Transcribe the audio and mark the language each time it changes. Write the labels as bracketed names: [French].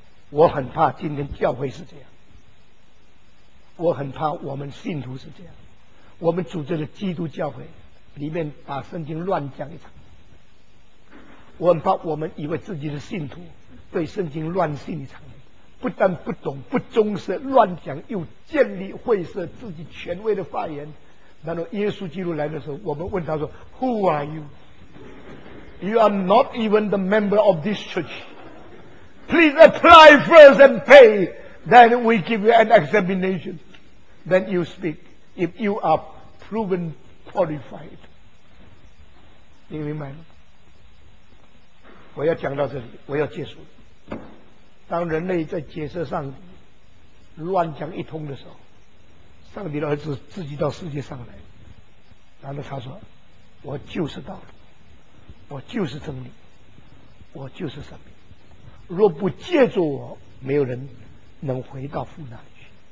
[Chinese] 我很怕今天教会是这样，我很怕我们信徒是这样，我们组织的基督教会里面把圣经乱讲一场。我很怕我们以为自己是信徒，对圣经乱信一场，不但不懂不忠实乱讲，又建立会社自己权威的发言。然后耶稣基督来的时候，我们问他说 [English] Who are you? You are not even the member of this church. Please apply first and pay, then we give you an examination, then you speak if you are proven qualified. [Chinese] 你明白吗？我要讲到这里，我要结束。当人类在解释上帝乱讲一通的时候，上帝的儿子自己到世界上来，然后他说我就是道理，我就是真理，我就是生命，若不借助我，没有人能回到父那里去。